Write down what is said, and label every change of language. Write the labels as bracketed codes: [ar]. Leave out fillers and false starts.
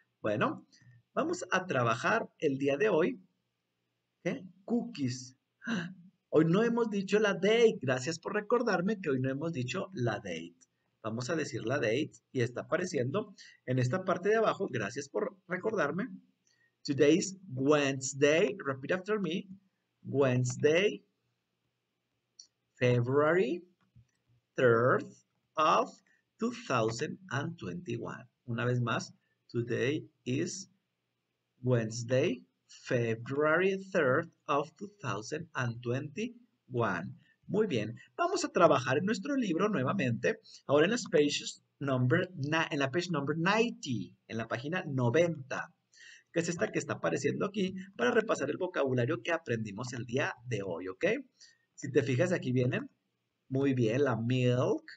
[es] Bueno, vamos a trabajar el día de hoy. ¿Eh? Cookies. Hoy no hemos dicho la date. Gracias por recordarme que hoy no hemos dicho la date. Vamos a decir la date y está apareciendo en esta parte de abajo. Gracias por recordarme. [en] Today is Wednesday. Repeat after me. Wednesday, February 3rd of 2021. [es] Una vez más, [en] today is Wednesday, February 3rd of 2021. [es] Muy bien, vamos a trabajar en nuestro libro nuevamente. Ahora en la page number, en la page number 90, en la página 90, que es esta que está apareciendo aquí, para repasar el vocabulario que aprendimos el día de hoy, ¿ok? Si te fijas, aquí vienen. Muy bien, la milk.